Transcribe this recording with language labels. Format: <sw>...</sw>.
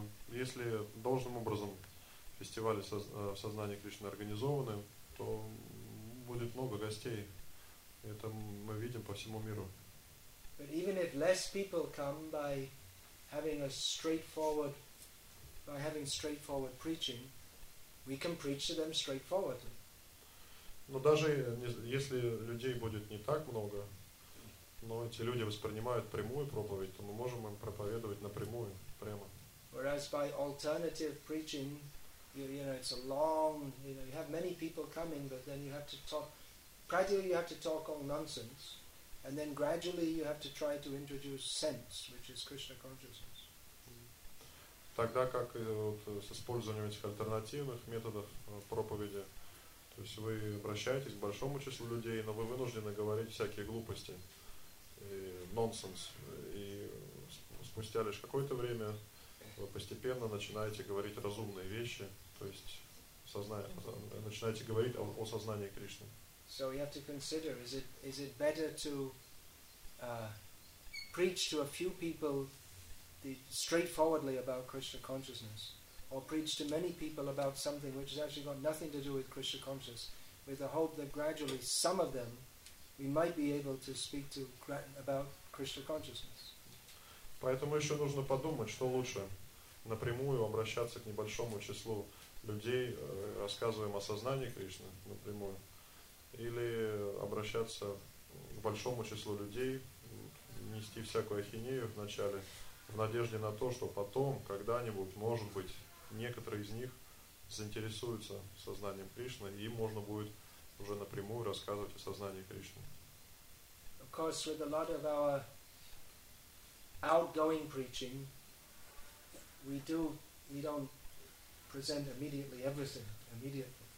<ru>Если должным образом фестивали сознания Кришны организованы, то будет много гостей. Это мы видим по всему миру.</ru> <en>But even if less people come by having a straightforward, by having straightforward preaching, we can preach to them straightforwardly.</en> <ru>Но даже если людей будет не так много, но эти люди воспринимают прямую проповедь, то мы можем им проповедовать напрямую, прямо.</ru> <en>Whereas by alternative preaching, you know, it's a long, you know, you have many people coming, but then you have to talk, practically you have to talk all nonsense, and then gradually you have to try to introduce sense, which is Krishna consciousness.</en> <ru>Тогда как вот, с использованием этих альтернативных методов проповеди, то есть вы обращаетесь к большому числу людей, но вы вынуждены говорить всякие глупости, нонсенс, и спустя лишь какое-то время вы постепенно начинаете говорить разумные вещи, то есть сознание, начинаете говорить о сознании Кришны.</ru> <en>So you have to consider, is it better to preach to a few people straightforwardly about Krishna consciousness, or preach to many people about something which has actually got nothing to do with Krishna consciousness, with the hope that gradually some of them we might be able to speak to about Krishna consciousness.</en> <ru>Поэтому еще нужно подумать, что лучше. Напрямую обращаться к небольшому числу людей, рассказываем о сознании Кришны напрямую, или обращаться к большому числу людей, нести всякую ахинею вначале, в надежде на то, что потом, когда-нибудь, может быть, некоторые из них заинтересуются сознанием Кришны, и им можно будет уже напрямую рассказывать о сознании Кришны.</ru> <en>Of course, with a lot of our outgoing preaching, we don't present immediately everything immediately.</en>